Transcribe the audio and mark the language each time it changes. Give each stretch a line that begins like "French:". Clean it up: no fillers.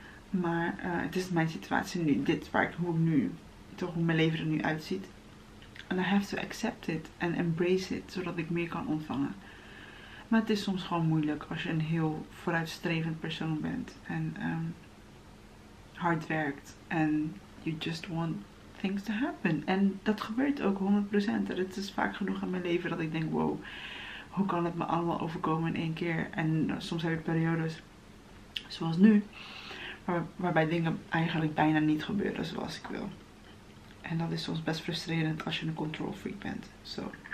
Dutch: Maar het is mijn situatie nu. Dit waar ik, hoe ik nu, toch hoe mijn leven er nu uitziet.
English: And I have to accept it and embrace it,
Dutch: zodat ik meer kan ontvangen. Maar het is soms gewoon moeilijk als je een heel vooruitstrevend persoon bent. En hard werkt.
English: En you just want things to happen.
Dutch: En dat gebeurt ook 100%. En het is vaak genoeg in mijn leven dat ik denk, wow, hoe kan het me allemaal overkomen in één keer? En soms heb ik periodes, zoals nu... waarbij dingen eigenlijk bijna niet gebeuren zoals ik wil. En dat is soms best frustrerend als je een control freak bent. So.